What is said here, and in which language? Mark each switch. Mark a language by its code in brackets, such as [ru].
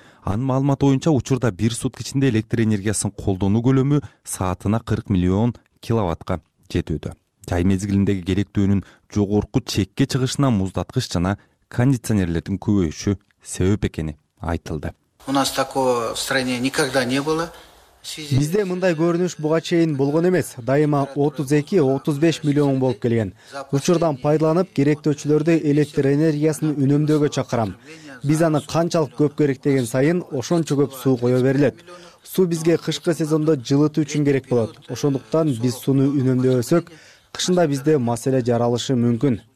[ky] Анын маалыматы боюнча учурда бир сутка ичинде электр энергиясын колдонуу көлөмү саатына 40 миллион киловаттка жетүүдө. Жай мезгилиндеги керектөөнүн жогорку чекке чыгышына муздаткыч жана кондиционерлердин көбөйүшү себеп экени айтылды. [ru] У нас такого в стране никогда не было. [ky] Бизде мындай көрүнүш буга чейин болгон эмес. Дайыма 32-35 миллион болуп келген. Учурдан пайдаланып, керектөөчүлөрдү электр энергиясын үнөмдөөгө чакырам. Биз аны канчалык көп керектеген сайын ошончо көп суу кое берилет. Суу бизге кышкы сезондо жылытуу үчүн керек болот. Ошондуктан биз сууну үнөмдөбөсөк, кышында бизде маселе жаралышы мүмкүн.